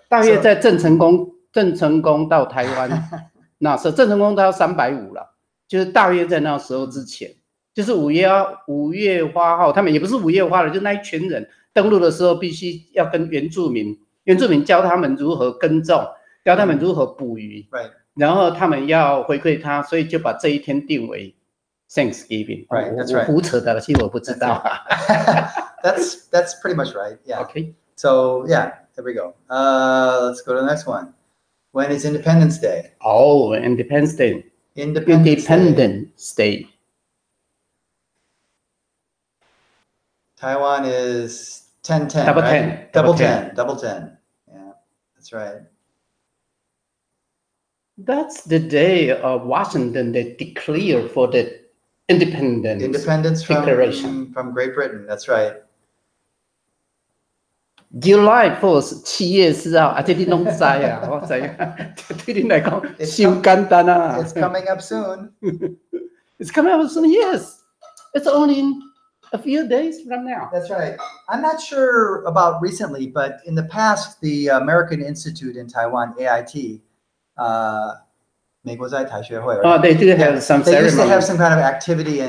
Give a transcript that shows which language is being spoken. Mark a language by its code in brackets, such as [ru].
[zh] 大约在郑成功到台湾，那时候郑成功到350了，就是大约在那时候之前，就是五月花号，他们也不是五月花了，就那一群人登陆的时候必须要跟原住民教他们如何耕种，教他们如何捕鱼，然后他们要回馈他，所以就把这一天定为Thanksgiving. [en] Right, that's right. [zh] 我胡扯的了，其实我不知道。 [en] That's pretty much right. Yeah. Okay. So yeah, there we go. Let's go to the next one. When is Independence Day? Oh, Independence Day. Independence Day. Taiwan is 10-10. Double right? 10. Double 10. Yeah, that's right. That's the day of Washington they declare for the Independence Declaration from Great Britain. That's right. July 1st, [zh] 7月 4号, 啊, 这你都知道啊, 我知道, 对你来说, 太简单啊。 [en] It's coming up soon. It's coming up soon, yes. It's only in a few days from now. That's right. I'm not sure about recently, but in the past, the American Institute in Taiwan, AIT, 美国在台学会, right? Oh, they did have some ceremony. They used to have some kind of activity in